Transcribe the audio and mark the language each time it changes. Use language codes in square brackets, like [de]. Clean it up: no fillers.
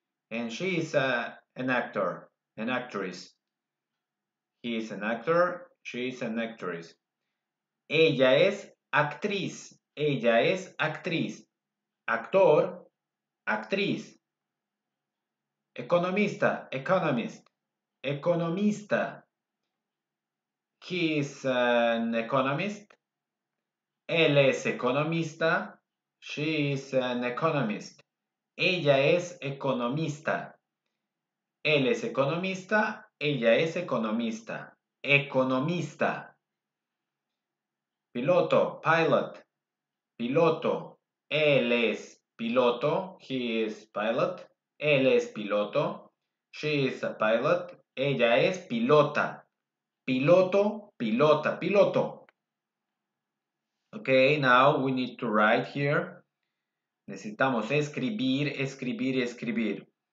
[en] And she is an actor, an actress. He is an actor, she is an actress. [es] Ella es actriz, ella es actriz. Actor, actriz. Economista, economist, economista. [en] He is an economist. [es] Él es economista, [en] she is an economist. [es] Ella es economista. Él es economista. Ella es economista. Economista. Piloto. Pilot. Piloto. Él es piloto. [en] He is pilot. [es] Él es piloto. [en] She is a pilot. [es] Ella es pilota. Piloto. Pilota. Piloto. [en] Okay, now we need to write here. [es] Necesitamos escribir, escribir, escribir.